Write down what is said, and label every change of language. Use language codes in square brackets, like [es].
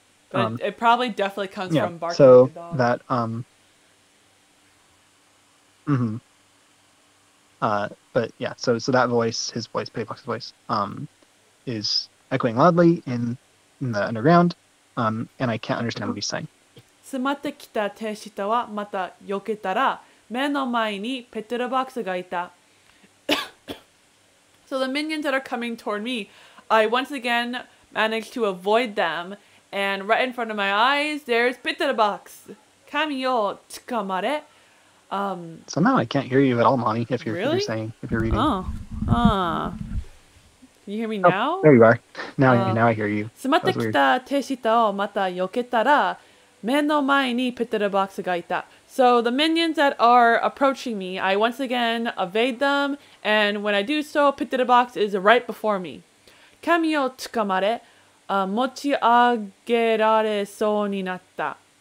[en] but it probably definitely comes from barking. So like a dog. That but yeah, so that voice, his voice, Petty Box's voice, is echoing loudly in the underground, and I can't understand what he's saying. [ja] 迫ってきた手下はまた避けたら目の前にペテロボックスがいた。 [en] So the minions that are coming toward me, I once again managed to avoid them, and right in front of my eyes, there's Peterbox. [ja] 髪をつかまれ。 [en] So now I can't hear you at all, Monnie, if you're, really? If you're reading. Can you hear me now? Oh, there you are. Now I hear you. [ja] 迫ってきた手下をまた避けたら目の前にペテルボックスがいた。 [en] So the minions that are approaching me, I once again evade them, and when I do so, ペテルボックスis right before me. [ja] 髪をつかまれ、持ち上げられそうになった。